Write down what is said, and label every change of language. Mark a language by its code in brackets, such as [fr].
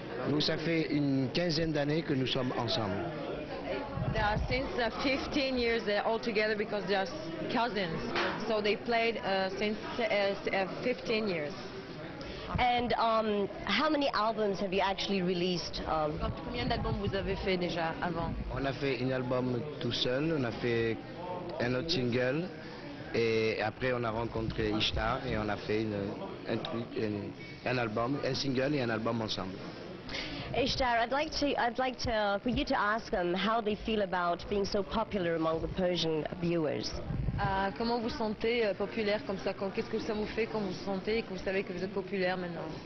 [fr] Donc ça fait une quinzaine d'années que nous sommes ensemble. [en] Since 15 years they're all together because they're cousins. So they played since 15 years. And how many albums have you actually released? [fr] Combien d'albums vous avez fait déjà avant? On a fait un album tout seul, on a fait un autre single, et après on a rencontré Ishtar et on a fait un single et un album ensemble. [en] Ishtar, for you to ask them how they feel about being so popular among the Persian viewers. [fr] Comment vous sentez populaire comme ça? Qu'est-ce que ça vous fait quand vous sentez et que vous savez que vous êtes populaire maintenant?